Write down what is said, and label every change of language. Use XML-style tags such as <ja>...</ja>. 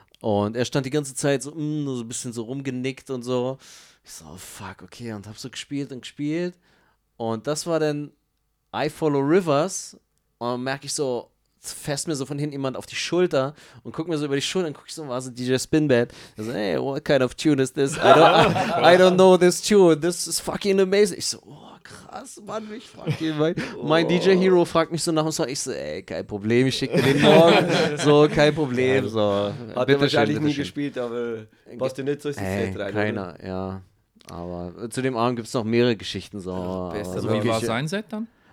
<de>Und er stand die ganze Zeit so, nur so ein bisschen so rumgenickt und so. Ich so, oh fuck, okay, und hab so gespielt und gespielt. Und das war dann I Follow Rivers. Und dann merke ich so, fest mir so von hinten jemand auf die Schulter und guck mir so über die Schulter und guck ich so, war so DJ Spinbad. Ich so,</de> <en>hey, what kind of tune is this? I don't know this tune, this is fucking amazing.</en> <de>Ich so, oh. Krass, Mann, mich fragt jemand. Mein DJ Hero fragt mich so nach und sagt, ich so, ey, kein Problem, ich schicke den morgen. So, kein Problem. Ja, so. Hat er wahrscheinlich nie gespielt, aber passt dir nicht so ist die Zeit rein. Keiner, oder? Ja. Aber zu dem Abend gibt es noch mehrere Geschichten. So. Ja, also, wie war sein Set dann?</de>